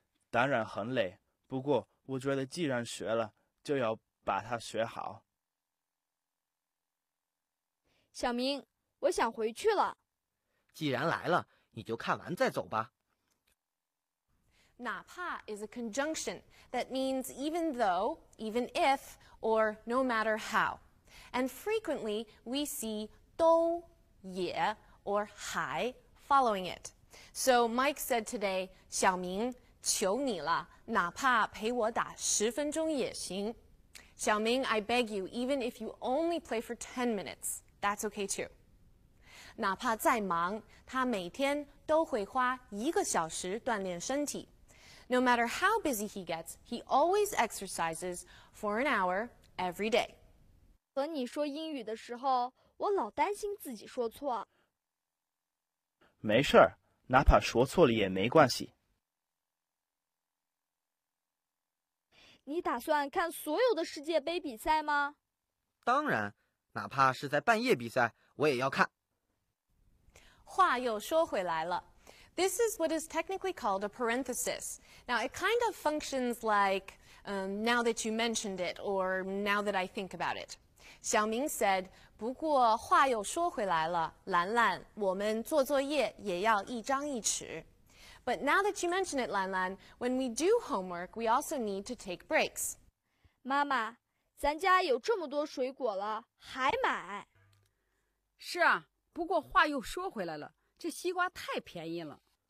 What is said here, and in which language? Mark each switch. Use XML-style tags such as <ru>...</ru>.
<zh>当然很累,不过我觉得既然学了,就要把它学好。小明，我想回去了。既然来了，你就看完再走吧。</zh> <en>哪怕 is a conjunction that means even though, even if, or no matter how. And frequently, we see 都也 or 还 following it. So Mike said today,</en> <zh>小明，求你了，哪怕陪我打十分钟也行。</zh> <en>小明， I beg you, even if you only play for 10 minutes. That's okay too.</en> <zh>哪怕再忙,他每天都会花一个小时锻炼身体。</zh> <en>No matter how busy he gets, he always exercises for an hour every day.</en> <zh>和你说英语的时候,我老担心自己说错。没事儿,哪怕说错了也没关系。你打算看所有的世界杯比赛吗? 当然。哪怕是在半夜比赛，我也要看。话又说回来了。</zh> <en>This is what is technically called a parenthesis. Now, it kind of functions like, now that you mentioned it, or now that I think about it.</en> <zh>小明</zh> <en>said,</en> <zh>不过话又说回来了，兰兰，我们做作业也要一张一弛。</zh> <en>But now that you mention it, 兰兰, when we do homework, we also need to take breaks.</en> <zh>妈妈。咱家有这么多水果了还买。是啊不过话又说回来了这西瓜太便宜了。</zh>